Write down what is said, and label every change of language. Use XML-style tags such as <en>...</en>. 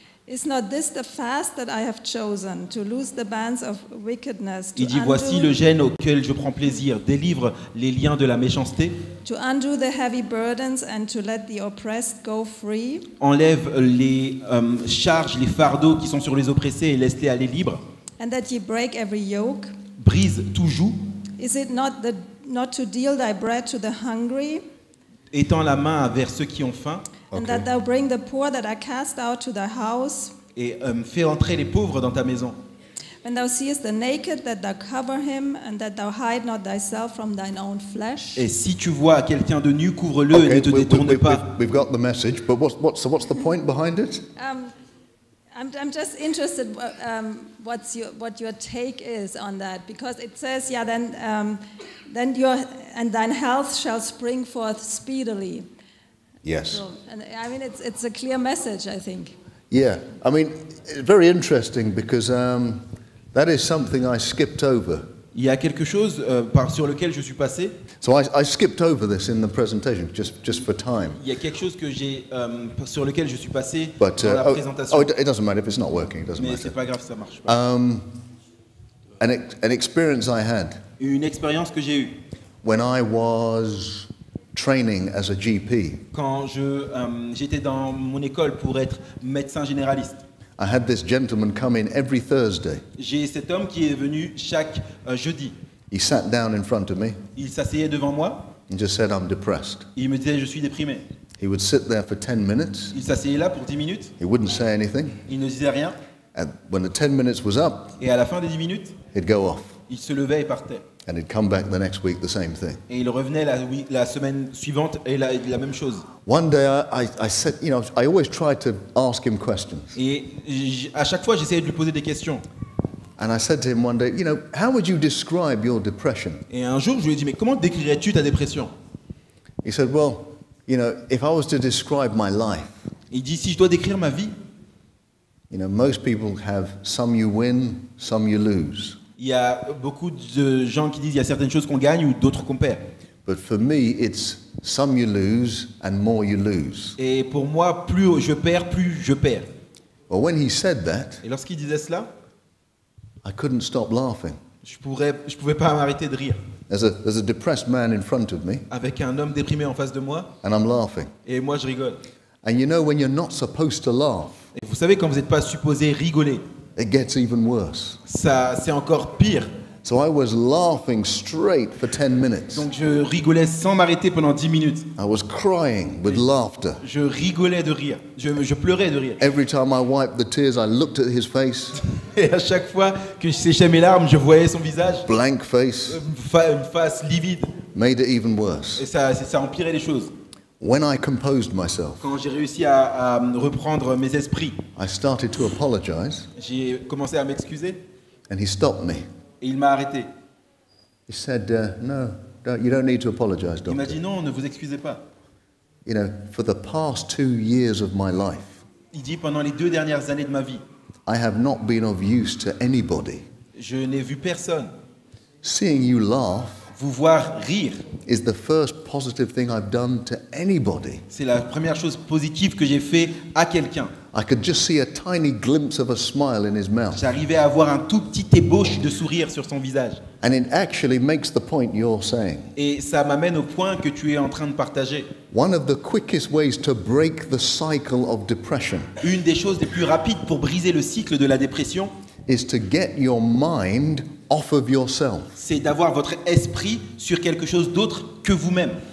<en>Is not this the fast that I have chosen, to loose the bands of wickedness?</en> <fr>Il dit, voici le jeûne auquel je prends plaisir, délivre les liens de la méchanceté.</fr> <en>To undo the heavy burdens and to let the oppressed go free.</en> <fr>Enlève les charges, les fardeaux qui sont sur les oppressés et laisse-les aller libres.</fr> <en>And that ye break every yoke.</en> <fr>Brise tout joug.</fr> <en>Is it not the not to deal thy bread to the hungry?</en> <fr>Étends la main vers ceux qui ont faim.</fr> <en>Okay. And that thou bring the poor that are cast out to thy house.</en> <fr>Et fais entrer les pauvres dans ta maison.</fr> <en>When thou seest the naked, that thou cover him, and that thou hide not thyself from thine own flesh.</en> <fr>Et si tu vois quelqu'un de nu, couvre-le et ne te détourne pas.</fr> <en>We've got the message, but what's the point behind it? I'm just interested what your take is on that, because it says, yeah, then your and thine health shall spring forth speedily. Yes. So, and I mean, it's a clear message, I think. Yeah. I mean, very interesting, because that is something I skipped over.</en> <fr>Il y a quelque chose sur lequel je suis passé.</fr> <en>So I skipped over this in the presentation, just for time.</en> <fr>Il y a quelque chose que j'ai sur lequel je suis passé dans la présentation.</fr> <en>Oh, it doesn't matter if it's not working. It doesn't</en> <fr>Mais</fr> <en>matter.</en> <fr>Mais c'est pas grave, ça marche pas.</fr> <en>An experience I had.</en> <fr>Une expérience que j'ai eue.</fr> <en>When I was training as a GP.</en> <fr>Quand j'étais dans mon école pour être médecin généraliste.</fr> <en>I had this gentleman come in every Thursday.</en> <fr>J'ai cet homme qui est venu chaque jeudi.</fr> <en>He sat down in front of me.</en> <fr>Il s'asseyait devant moi.</fr> <en>And just said, I'm depressed.</en> <fr>Il me disait, je suis déprimé.</fr> <en>He would sit there for 10 minutes.</en> <fr>Il s'asseyait là pour 10 minutes.</fr> <en>He wouldn't say anything.</en> <fr>Il ne disait rien.</fr> <en>And when the 10 minutes was up,</en> <fr>et à la fin des 10 minutes,</fr> <en>he'd go off.</en> <fr>Il se levait et partait.</fr> <en>And he'd come back the next week, the same thing.</en> <fr>Et il revenait la semaine suivante et la même chose.</fr> <en>One day I said, you know, I always try to ask him questions.</en> <fr>Et à chaque fois j'essayais de lui poser des questions.</fr> <en>And I said to him one day, you know, how would you describe your depression?</en> <fr>Et un jour je lui ai dit, mais comment décrirais-tu ta dépression?</fr> <en>He said, well, you know, if I was to describe my life.</en> <fr>Il dit, si je dois décrire ma vie.</fr> <en>You know, most people have some you win, some you lose.</en> <fr>Il y a beaucoup de gens qui disent qu'il y a certaines choses qu'on gagne ou d'autres qu'on perd.</fr> <en>But for me, it's some you lose and more you lose.</en> <fr>Et pour moi, plus je perds, plus je perds.</fr> <en>Well, when he said that,</en> <fr>et lorsqu'il disait cela,</fr> <en>I couldn't stop laughing.</en> <fr>Je pouvais pas m'arrêter de rire.</fr> <en>There's a depressed man in front of me.</en> <fr>Avec un homme déprimé en face de moi.</fr> <en>And I'm laughing.</en> <fr>Et moi, je rigole.</fr> <en>And you know when you're not supposed to laugh.</en> <fr>Et vous savez quand vous n'êtes pas supposé rigoler.</fr> <en>It gets even worse.</en> <fr>Ça, c'est encore pire.</fr> <en>So I was laughing straight for 10 minutes.</en> <fr>Donc je rigolais sans m'arrêter pendant 10 minutes.</fr> <en>I was crying with laughter.</en> <fr>Je rigolais de rire. Je pleurais de rire.</fr> <en>Every time I wiped the tears, I looked at his face.</en> <fr>Et à chaque fois que je séchais mes larmes, je voyais son visage.</fr> <en>Blank face.</en> <fr>Une face livide.</fr> <en>Made it even worse.</en> <fr>Et ça empirait les choses.</fr> <en>When I composed myself,</en> <fr>quand j'ai réussi à reprendre mes esprits,</fr> <en>I started to apologize.</en> <fr>J'ai commencé à m'excuser.</fr> <en>And he stopped me.</en> <fr>Et il m'a arrêté.</fr> <en>He said, "No, you don't need to apologize, doctor."</en> <fr>Il m'a dit non, ne vous excusez pas.</fr> <en>You know, for the past 2 years of my life,</en> <fr>il dit pendant les deux dernières années de ma vie,</fr> <en>I have not been of use to anybody.</en> <fr>Je n'ai vu personne.</fr> <en>Seeing you laugh.</en> <fr>Vous voir rire.</fr> <en>Is the first positive thing I've done to anybody.</en> <fr>C'est la première chose positive que j'ai fait à quelqu'un.</fr> <en>I could just see a tiny glimpse of a smile in his mouth.</en> <fr>J'arrivais à voir un tout petit ébauche de sourire sur son visage.</fr> <en>And it actually makes the point you're saying.</en> <fr>Et ça m'amène au point que tu es en train de partager.</fr> <en>One of the quickest ways to break the cycle of depression.</en> <fr>Une des choses les plus rapides pour briser le cycle de la dépression.</fr> <en>Is to get your mind off of yourself.</en> <fr>C'est d'avoir votre esprit sur quelque chose d'autre que vous-même.</fr>